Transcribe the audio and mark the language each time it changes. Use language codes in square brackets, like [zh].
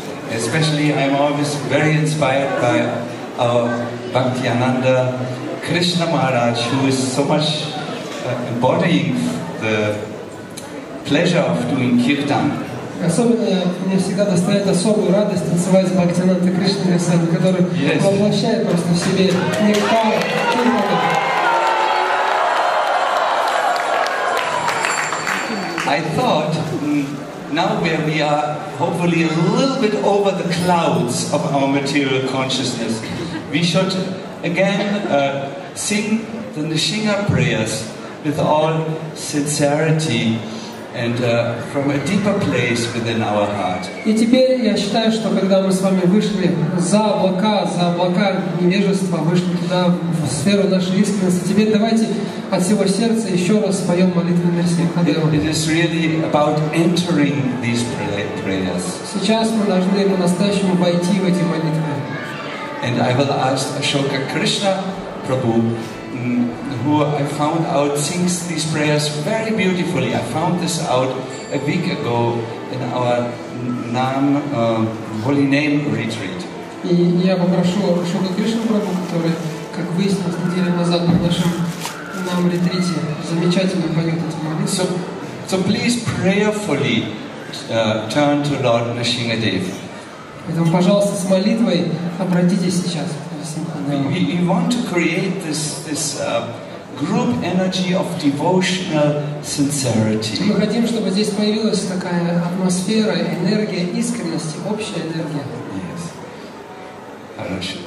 [en] Especially, I'm always very inspired by our Bhaktiananda Krishna Maharaj, who is so much embodying the pleasure of doing kirtan. [ru] Особенно мне всегда доставляет особую радость танцевать с Бхактинанда Кришной, который воплощает просто в себе нектар. [en] I thought now where we are hopefully a little bit over the clouds of our material consciousness, we should again sing the Nishinga prayers with all sincerity and from a deeper place within our heart. [ru] И теперь я считаю, что когда мы с вами вышли за облака невежества, вышли туда в сферу нашей искренности, теперь давайте от всего сердца еще раз споем молитву Нарасимхе. [en] It is really about entering these prayers. [ru] Сейчас мы должны по-настоящему войти в эти молитвы. [en] And I will ask Ashoka Krishna Prabhu, who I found out sings these prayers very beautifully. I found this out a week ago in our Nam Holy Name retreat. [ru] И я попрошу Ашоку Кришну Прабху, который, как выяснилось, неделю назад на нашем Нам ретрите замечательно поет эти молитвы. [en] So please prayerfully turn to Lord Nrisimhadev. [ru] Поэтому, пожалуйста, с молитвой обратитесь сейчас. [en] We want to create this group energy of devotional sincerity. [ru] Мы хотим, чтобы здесь появилась такая атмосфера, энергия искренности, общая энергия.